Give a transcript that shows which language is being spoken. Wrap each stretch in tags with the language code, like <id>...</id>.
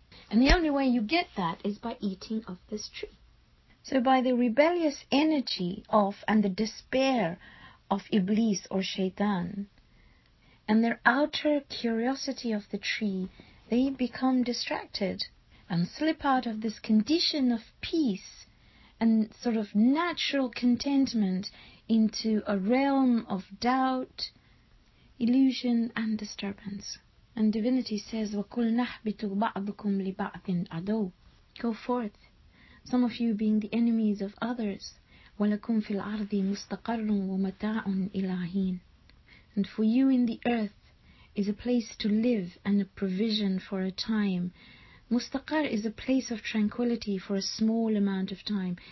<en>And the only way you get that is by eating of this tree. So by the rebellious energy of and the despair of Iblis or Shaitan, and their outer curiosity of the tree, they become distracted and slip out of this condition of peace and sort of natural contentment into a realm of doubt, illusion and disturbance. And divinity says,</en> <ar>وَقُلْ نَحْبِتُ بَعْضُكُمْ لِبَعْضٍ عَدُوٌ.</ar> <en>Go forth, some of you being the enemies of others.</en> <ar>وَلَكُمْ فِي الْأَرْضِ مُسْتَقَرٌ وَمَتَاعٌ إِلَى حِينٍ.</ar> <en>And for you in the earth is a place to live and a provision for a time. Mustaqar is a place of tranquility for a small amount of time.</en>